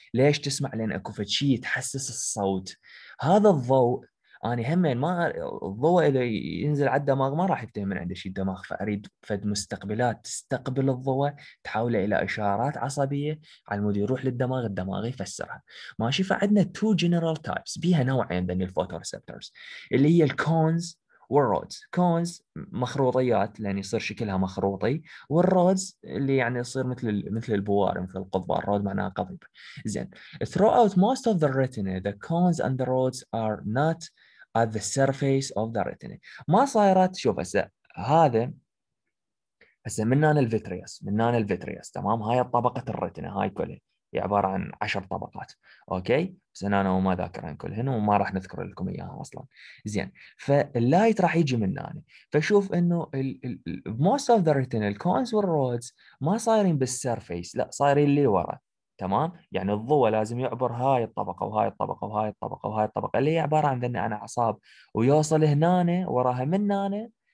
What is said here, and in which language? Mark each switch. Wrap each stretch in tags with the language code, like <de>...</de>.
<ar>ليش تسمع؟ لان اكو فتشي يتحسس الصوت. هذا الضوء اني همين ما الضوء اذا ينزل على الدماغ ما راح يفتهم من عنده شيء الدماغ، فاريد فد مستقبلات تستقبل الضوء تحوله الى اشارات عصبيه على المود يروح للدماغ، الدماغ يفسرها ماشي. فعندنا تو جنرال تايبس، بيها نوعين من الفوتو ريسبتورز اللي هي الكونز والرودز، كونز مخروطيات لان يصير شكلها مخروطي، والرودز اللي يعني يصير مثل البوار مثل القضبة، الرود معناها قضيب.</ar> <en>زين throughout most of the retina the cones and the rods are not at the surface of the retina.</en> <ar>ما صايرات، شوف هسه هذا هسه منان الفيتريس، منان الفيتريس تمام، هاي طبقة الرتنة هاي كلها هي عبارة عن 10 طبقات، أوكي؟ بس أنا وما ذاكر عن كلهن وما راح نذكر لكم إياها أصلاً. زين، فاللايت راح يجي من هنا، فشوف إنه</ar> <en>most of the retinal cones</en> <ar>والرودز ما صايرين بالسيرفيس، لا صايرين اللي ورا، تمام؟ يعني الضوء لازم يعبر هاي الطبقة وهاي الطبقة وهاي الطبقة وهاي الطبقة اللي هي عبارة عن ذني أنا أعصاب، ويوصل هنا وراها من هنا</ar>